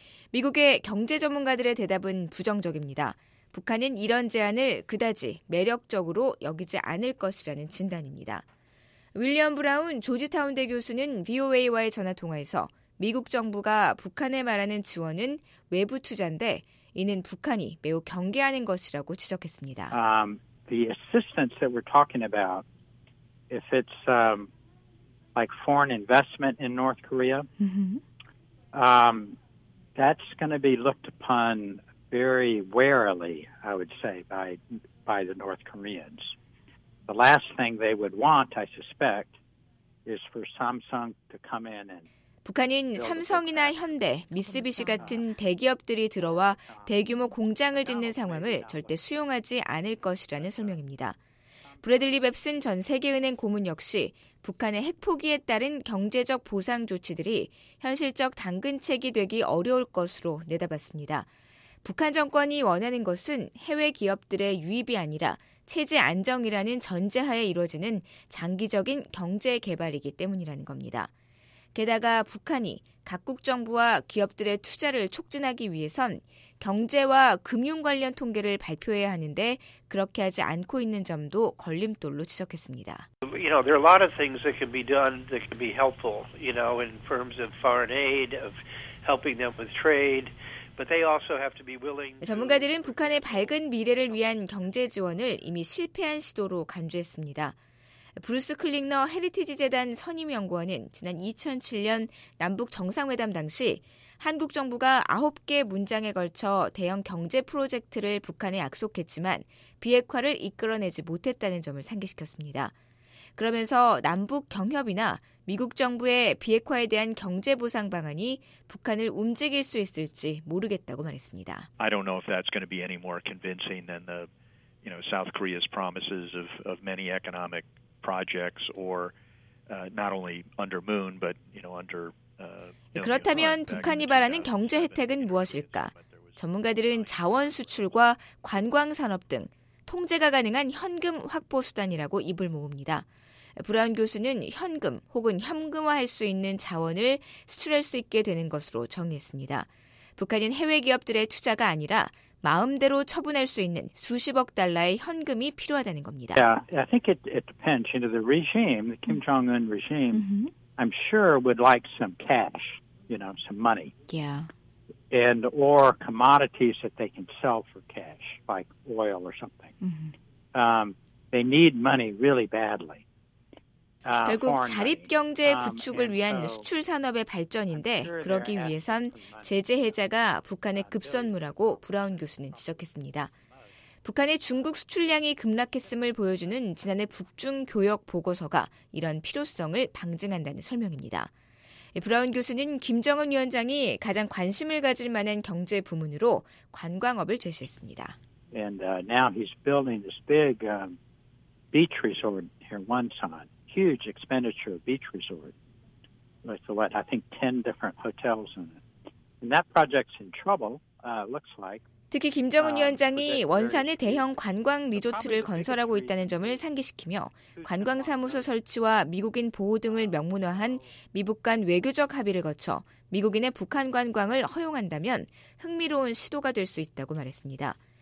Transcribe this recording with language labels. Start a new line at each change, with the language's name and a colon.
Korean: 미국의 경제 전문가들의 대답은 부정적입니다. 북한은 이런 제안을 그다지 매력적으로 여기지 않을 것이라는 진단입니다. 윌리엄 브라운 조지타운대 교수는 VOA와의 전화통화에서 미국 정부가 북한에 말하는 지원은 외부 투자인데 이는 북한이 매우 경계하는 것이라고 지적했습니다.
English: The assistance that we're talking about, if it's like foreign investment in North Korea, that's going to be looked upon very warily, I would say, by the North Koreans. The last thing they would want, I suspect, is for Samsung to come in and.
Korean: 북한은 삼성이나 현대, 미쓰비시 같은 대기업들이 들어와 대규모 공장을 짓는 상황을 절대 수용하지 않을 것이라는 설명입니다. 브래들리 뱁슨 전 세계은행 고문 역시 북한의 핵포기에 따른 경제적 보상 조치들이 현실적 당근책이 되기 어려울 것으로 내다봤습니다. 북한 정권이 원하는 것은 해외 기업들의 유입이 아니라 체제 안정이라는 전제하에 이루어지는 장기적인 경제 개발이기 때문이라는 겁니다. 게다가 북한이 각국 정부와 기업들의 투자를 촉진하기 위해선 경제와 금융 관련 통계를 발표해야 하는데 그렇게 하지 않고 있는 점도 걸림돌로 지적했습니다.
English: You know, there are a lot of things that can be done that can be helpful, you know, in terms of foreign aid, of helping them with trade. But they also have to be willing.
Korean: 전문가들은 북한의 밝은 미래를 위한 경제 지원을 이미 실패한 시도로 간주했습니다. 브루스 클링너 헤리티지 재단 선임 연구원은 지난 2007년 남북 정상회담 당시 한국 정부가 9개 문장에 걸쳐 대형 경제 프로젝트를 북한에 약속했지만 비핵화를 이끌어내지 못했다는 점을 상기시켰습니다. 그러면서 남북 경협이나 미국 정부의 비핵화에 대한 경제 보상 방안이 북한을 움직일 수 있을지 모르겠다고 말했습니다.
English: I don't know if that's going to be any more convincing than the, you know, South Korea's promises of many economic projects or not only under Moon but you know under
Korean: 그렇다면 북한이 바라는 경제 혜택은 무엇일까? 전문가들은 자원 수출과 관광 산업 등 통제가 가능한 현금 확보 수단이라고 입을 모읍니다. 브라운 교수는 현금 혹은 현금화할 수 있는 자원을 수출할 수 있게 되는 것으로 정의했습니다. 북한은 해외 기업들의 투자가 아니라 마음대로 처분할 수 있는 수십억 달러의 현금이 필요하다는 겁니다.
English: Yeah, I think it depends. You know, the regime, the Kim Jong-un regime, I'm sure would like some cash, you know, some money. Yeah. And or commodities that they can sell for cash, like oil or something. They need money really badly.
Korean: 결국 자립경제의 구축을 위한 수출 산업의 발전인데 그러기 위해선 제재 해제가 북한의 급선무라고 브라운 교수는 지적했습니다. 북한의 중국 수출량이 급락했음을 보여주는 지난해 북중교역보고서가 이런 필요성을 방증한다는 설명입니다. 브라운 교수는 김정은 위원장이 가장 관심을 가질 만한 경제 부문으로 관광업을 제시했습니다.
English: And now he's building this big beach resort here in Wonsan. Huge expenditure beach resort with what I think 10 different hotels in it. And that project's in trouble, looks like.
Korean: 특히 김정은 위원장이 원산에 대형 관광 리조트를 건설하고 있다는 점을 상기시키며 관광사무소 설치와 미국인 보호 등을 명문화한 미북 간 외교적 합의를 거쳐 미국인의 북한 관광을 허용한다면 흥미로운 시도가 될 수 있다고 말했습니다.